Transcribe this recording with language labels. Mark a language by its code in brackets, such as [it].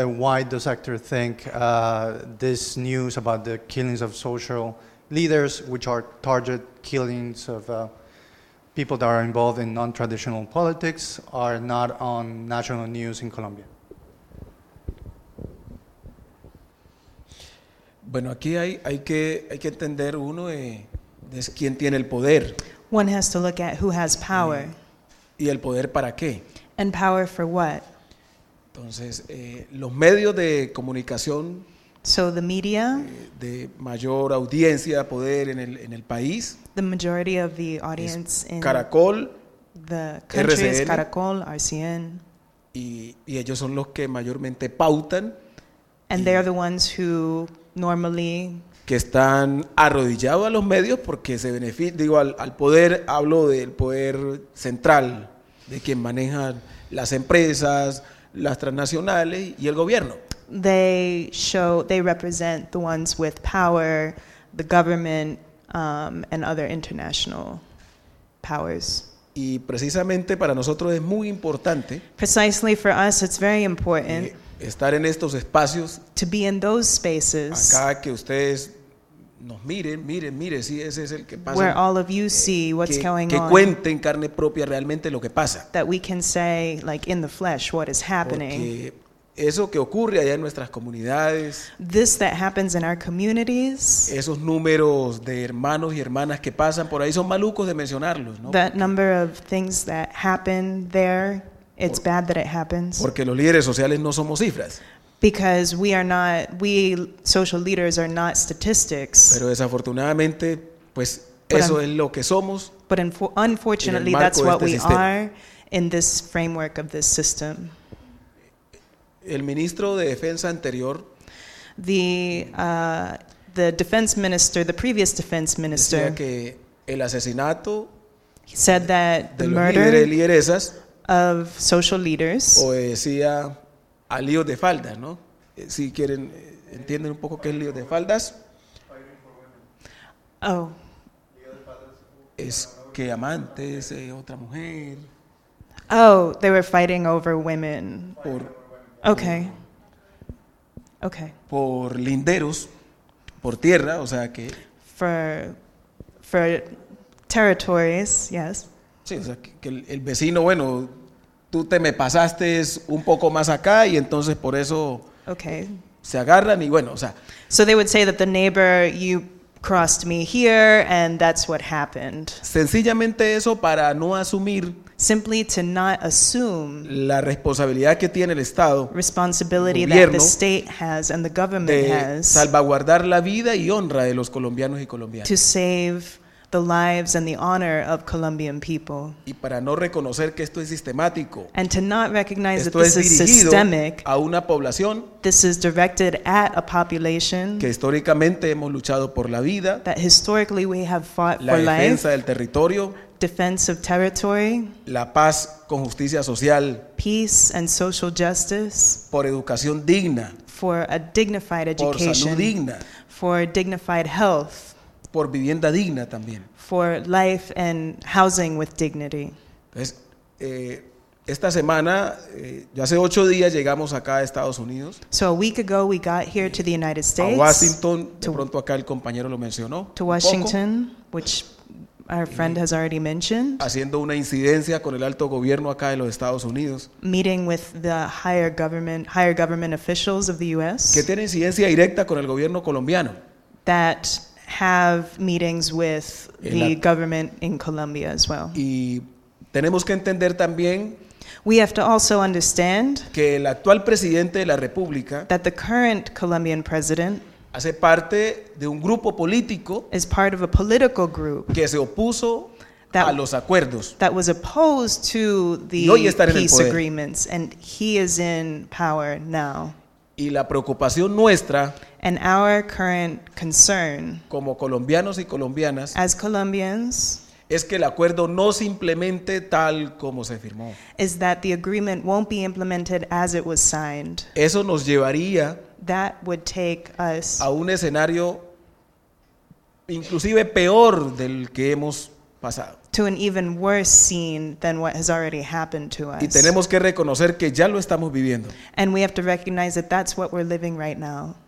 [en] Why does Hector think this news about the killings of social leaders, which are target killings of people that are involved in non-traditional politics, are not on national news in Colombia? [es] Bueno, aquí hay que entender uno de quién tiene el poder. [en] One has to look at who has power. [es] Y el poder para qué. [en] And power for what. [es] Entonces, los medios de comunicación. [en] So the media. [es] De mayor audiencia, poder en el país. [en] The majority of the audience in [es] Caracol. [en] The country [es] RCN, [en] is Caracol, RCN. [es] Y ellos son los que mayormente pautan. [en] And they are the ones who normally, [es] que están arrodillados a los medios porque se benefician, digo, al poder, hablo del poder central, de quien manejan las empresas, las transnacionales y el gobierno. [en] They represent the ones with power, the government, and other international powers. [es] Y precisamente para nosotros es muy importante. [en] Precisely for us, it's very important. [es] Estar en estos espacios. [en] To be in those spaces. [es] Acá que ustedes nos miren, miren, miren, sí, ese es el que pasa. [en] Where all of you see what's going on. [es] Que cuenten carne propia realmente lo que pasa. [en] That we can say, like in the flesh, what is happening. [es] Porque eso que ocurre allá en nuestras comunidades. [en] This that happens in our communities. [es] Esos números de hermanos y hermanas que pasan por ahí son malucos de mencionarlos, ¿no? [en] That number of things that happen there, it's bad that it happens. [es] Porque los líderes sociales no somos cifras. [en] Because we are not, we social leaders are not statistics. [es] Pero desafortunadamente, pues eso es lo que somos. [en] But unfortunately, that's what we are in this framework of this system. [es] El ministro de defensa anterior, [en] the defense minister, the previous defense minister, [es] decía que el asesinato, [en] he said that the murder [es] de lideresas [en] of social leaders, [es] o decía a líos de faldas, ¿no? Si quieren, entienden un poco qué es líos de faldas. Oh. Es que amantes, otra mujer. [en] Oh, they were fighting over women. [es] Por, okay. Okay. Por linderos, por tierra, o sea que. [en] For territories, yes. [es] Sí, o sea que el vecino, bueno. Tú te me pasaste un poco más acá y entonces por eso okay. Se agarran y bueno, o sea. [en] So they would say that the neighbor, you crossed me here and that's what happened. [es] Sencillamente eso para no asumir. [en] Simply to not assume. [es] La responsabilidad que tiene el Estado. [en] Responsibility that the state has and the government [es] de [en] has. [es] Salvaguardar la vida y honra de los colombianos y colombianas. [en] To save the lives and the honor of Colombian people. [es] Y para no reconocer que esto es sistemático. [en] And to not recognize [es] esto [en] that this [es] es dirigido [en] is systemic. [es] A una población. [en] This is directed at a population. [es] Que históricamente hemos luchado por la vida. [en] That historically we have fought [es] la [en] for [es] defensa [en] life. [es] Defensa del territorio. [en] Defense of territory. [es] La paz con justicia social. [en] Peace and social justice. [es] Por educación digna. [en] For a dignified education. [es] Por salud digna. [en] For dignified health. [es] Por vivienda digna también. [en] For life and housing with dignity. [es] Entonces, esta semana, ya hace 8 días llegamos acá a Estados Unidos. [en] So a week ago we got here to the United States. [es] A Washington, de pronto acá el compañero lo mencionó. [en] To Washington, which our friend has already mentioned. [es] Haciendo una incidencia con el alto gobierno acá de los Estados Unidos. [en] Meeting with the higher government officials of the U.S. [es] Que tiene incidencia directa con el gobierno colombiano. [en] That have meetings with the government in Colombia as well. [es] Y tenemos que entender también, [en] we have to also understand, [es] que el actual presidente de la República, [en] that the current Colombian president, [es] hace parte de un grupo político, [en] is part of a political group, [es] que se opuso [en] that, [es] a los acuerdos, [en] that was opposed to the peace agreements, and he is in power now. [es] Y la preocupación nuestra, [en] and our current concern, [es] como colombianos y colombianas, [en] as Colombians, [es] es que el acuerdo no se implemente tal como se firmó. [en] Is that the agreement won't be implemented as it was signed. [es] Eso nos llevaría, [en] that would take us, [es] a un escenario inclusive peor del que hemos pasado. [en] To an even worse scene than what has already happened to us. [es] Y tenemos que reconocer que ya lo estamos viviendo. [en] And we have to recognize that that's what we're living right now.